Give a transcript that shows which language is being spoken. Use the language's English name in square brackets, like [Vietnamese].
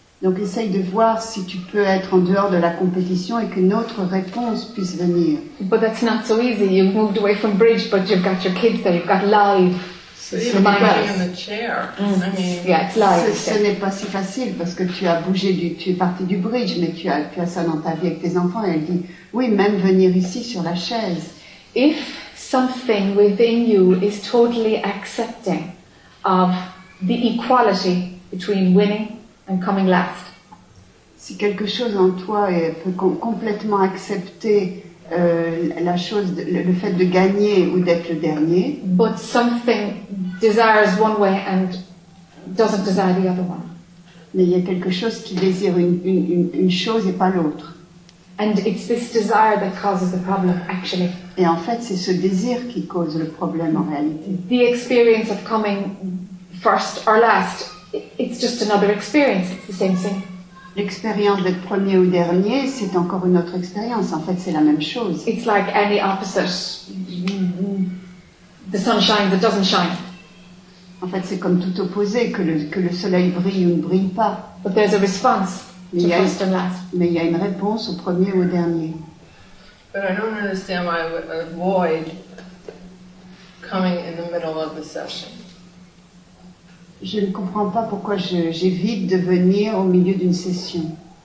[French] Donc essaye de voir si tu peux être en dehors de la compétition et qu'une autre réponse puisse venir. [English] But that's not so easy. You've moved away from bridge, but you've got your kids there. You've got live. So even being in the chair. Mm. I mean, yeah, it's live. [French] Ce n'est pas si facile parce que tu as bougé tu es parti du bridge, mais tu as ça dans ta vie avec tes enfants. Et elle dit, oui, même venir ici sur la chaise. [English] If something within you is totally accepting of the equality between winning and coming last. [French] Si quelque chose en toi peut complètement accepter la chose, le fait de gagner ou d'être le dernier. [English] But something desires one way and doesn't desire the other one. [French] Mais il y a quelque chose qui désire une chose et pas l'autre. [English] And it's this desire that causes the problem, actually. [French] Et en fait, c'est ce désir qui cause le problème en réalité. [English] The experience of coming first or last, it's just another experience. It's the same thing. [French] L'expérience d'être premier ou dernier, c'est encore une autre expérience. En fait, c'est la même chose. [English] It's like any opposite. The sun shines, it doesn't shine. [French] En fait, c'est comme tout opposé, que le soleil brille ou ne brille pas. [English] But there's a response to first and last. [French] Mais il y a une réponse au premier ou au dernier. [English] But I don't understand why I would avoid coming in the middle of the session. [French] Je ne comprends pas pourquoi j'évite de venir au milieu d'une session.